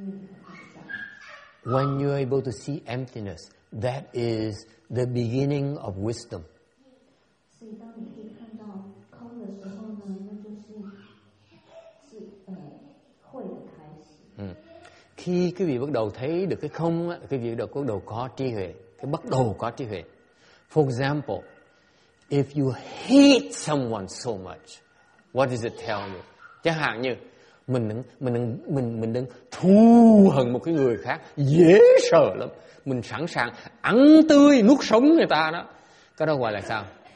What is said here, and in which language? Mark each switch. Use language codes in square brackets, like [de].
[zh] 所以说，法师就说，当你真的可以放下的时候，才是你可以看到那个空的时候。 [en] When you're able to see emptiness, that is the beginning of wisdom. [zh] 所以当你可以看到空的时候呢，那就是智慧的开始。嗯， [vi] khi quý vị bắt đầu thấy được cái không, quý vị bắt đầu có trí huệ. Bắt đầu có trí huệ. [en] For example, if you hate someone so much, what does it tell you? [vi] Chẳng hạn như mình đang thù hận một cái người khác dễ sợ lắm, mình sẵn sàng ăn tươi nuốt sống người ta đó. Cái đó gọi là sao?